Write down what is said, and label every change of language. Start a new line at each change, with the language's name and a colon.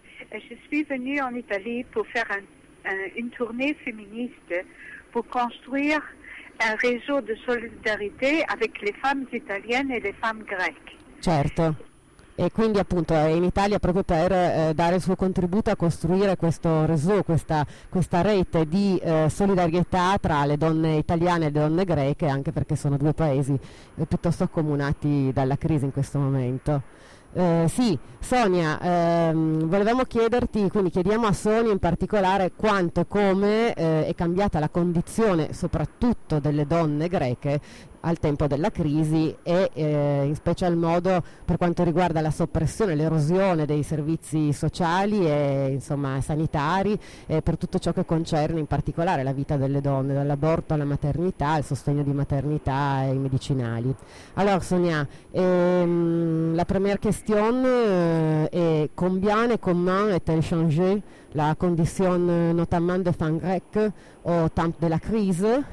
French: je suis venue en Italie pour faire une tournée féministe pour construire un réseau de solidarité avec les femmes italiennes et les femmes grecques.
Italian: Certo. E quindi appunto è in Italia proprio per dare il suo contributo a costruire questo réseau, questa rete di solidarietà tra le donne italiane e le donne greche, anche perché sono due paesi piuttosto accomunati dalla crisi in questo momento. Sì, Sonia, volevamo chiederti, quindi chiediamo a Sonia in particolare quanto e come è cambiata la condizione soprattutto delle donne greche al tempo della crisi e in special modo per quanto riguarda la soppressione, l'erosione dei servizi sociali e insomma sanitari e per tutto ciò che concerne in particolare la vita delle donne, dall'aborto alla maternità, il sostegno di maternità e i medicinali. Allora
French: Sonia, la première question
Italian: è
French: combien et comment est-elle changée la condition notamment des femmes grecques au temps de la crise?